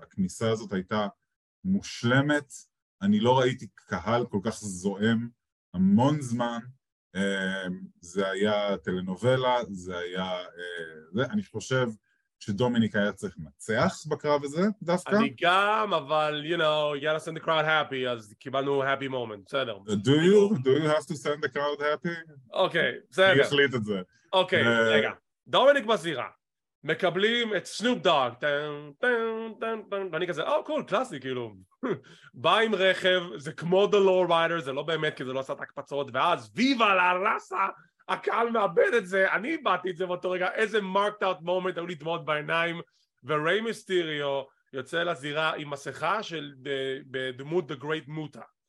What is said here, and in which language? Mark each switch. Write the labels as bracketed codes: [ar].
[he] הכניסה הזאת הייתה מושלמת. אני לא ראיתי קהל כל כך זועם המון זמן. זה היה טלנובלה, זה היה... אני חושב שדומיניק היה צריך מצח בקרב הזה דווקא. אני גם, אבל, [en] you know, you gotta send the crowd happy, [he] אז קיבלנו [en] happy moment, [he] בסדר. [en] Do you have to send the crowd happy? [he] אוקיי, בסדר. אני החליט את זה. אוקיי, רגע. דומיניק בזירה, מקבלים את סנופ דאג, טן, טן, טן, טן, ואני כזה, או, קול, קלאסי, כאילו. בא עם רכב, זה כמו The Low Rider, זה לא באמת, כי זה לא עשה את הקפצות, ואז, ויבה לרסה! הקהל מאבד את זה, אני באתי את זה באותו רגע, איזה [en] marked out moment, [he] היו לי דמעות בעיניים, וריי מיסטריו יוצא לזירה עם מסכה של בדמות The Great Muta.